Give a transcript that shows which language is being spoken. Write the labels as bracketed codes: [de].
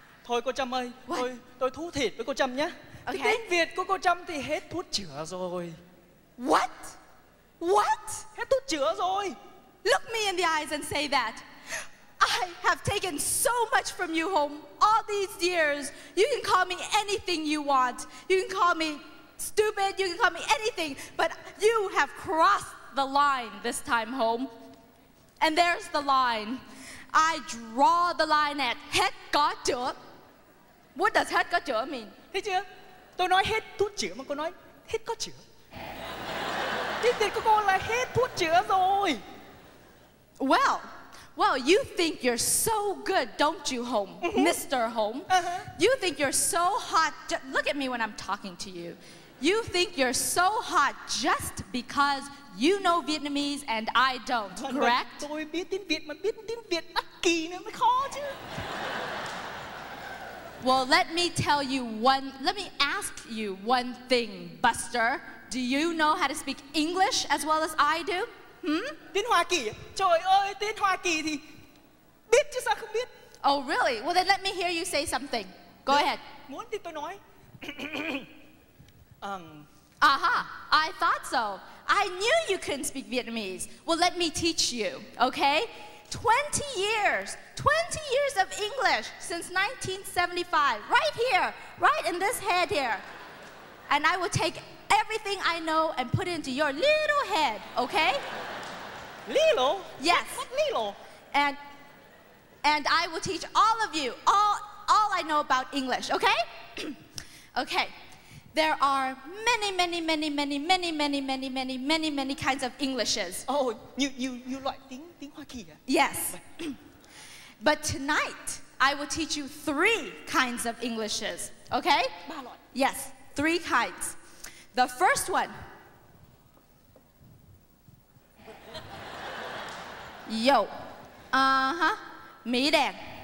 [vi] Thôi cô Trâm ơi, tôi thú thiệt với cô Trâm nhé. [en] Okay. [vi] Tiếng Việt của cô Trâm thì hết thuốc chữa rồi. [en] What? What? [vi] Hết thuốc chữa rồi. [en] Look me in the eyes and say that. I have taken so much from you home all these years. You can call me anything you want. You can call me stupid. You can call me anything. But you have crossed the line this time home. And there's the line. I draw the line at [vi] hết có chữa. [en] What does [vi] hết có chữa [en] mean? [vi] Thấy chưa? Tôi nói hết thuốc chữa mà cô nói hết có chữa. Tiếng Việt của cô là hết thuốc chữa rồi. [en] Well, well, you think you're so good, don't you, Home? Mr. Home? Uh-huh. You think you're so hot, look at me when I'm talking to you. You think you're so hot just because you know Vietnamese and I don't, correct? [vi] Tôi biết tiếng Việt mà biết tiếng Việt nó kỳ nữa mới khó chứ. [en] Well, let me tell you one, let me ask you one thing, Buster. Do you know how to speak English as well as I do? Hmm? [vi] Tiếng Hoa Kỳ. Trời ơi, tiếng Hoa Kỳ thì biết chứ sao không biết? [en] Oh, really? Well, then let me hear you say something. Go ahead. [vi] Muốn thì tôi nói. [en] I thought so. I knew you couldn't speak Vietnamese. Well, let me teach you, okay? 20 years, 20 years of English since 1975. Right here, right in this head here. And I will take everything I know and put it into your little head, okay? Little? Yes. What little? And I will teach all of you all I know about English, okay? Okay. There are many, many, many, many, many, many, many, many, many, many kinds of Englishes. Oh, you like [vi] tiếng Hoa Kỳ à? [en] Yes. But tonight I will teach you three kinds of Englishes, okay? [vi] Ba loại. [en] Yes, three kinds. The first one. [vi] Yo. Uh-huh. Mỹ đen.